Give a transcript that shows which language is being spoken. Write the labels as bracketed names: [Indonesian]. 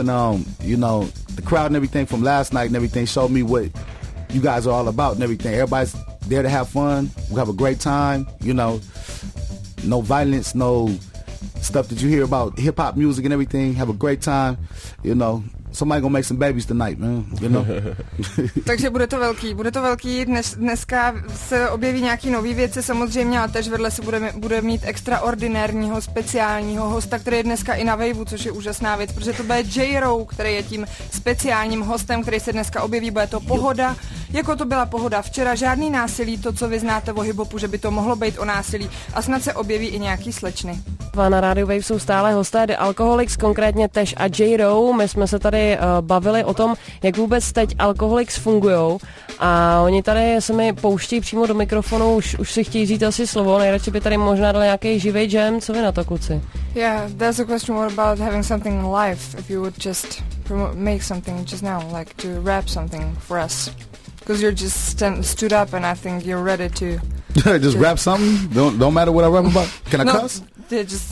[English] And, you know, the crowd and everything from last night and everything showed me what you guys are all about and everything. Everybody's there to have fun. We have a great time, you know. No violence, no stuff that you hear about hip-hop music and everything. Have a great time, you know. Somebody gonna make some babies tonight, man, you know. [Czech] Takže bude to velký, dneska se objeví nějaký nový věci samozřejmě, ale tež vedle se bude mít extraordinárního, speciálního hosta, který je dneska i na Waveu, což je úžasná věc, protože to bude J-Ro, který je tím speciálním hostem, který se dneska objeví, bude to pohoda, jako to byla pohoda včera, žádný násilí, to, co vy znáte o hip-hopu, že by to mohlo být o násilí, a snad se objeví i nějaký slečny. Na rádiu Wave jsou stále hosté The Alcoholics, konkrétně Tež a J-Ro. My jsme se tady bavili o tom, jak vůbec teď Alcoholics fungujou, a oni tady se mi pouští přímo do mikrofonu, už si chtějí říct asi slovo, nejradši by tady možná dali nějaký živý jam. Co vy na to, kluci? [English] Yeah, there's a question, what about having something live, if you would just make something just now, like to rap something for us, because you're just stood up and I think you're ready to just rap something. Don't matter what I rap about. Can I cuss? Just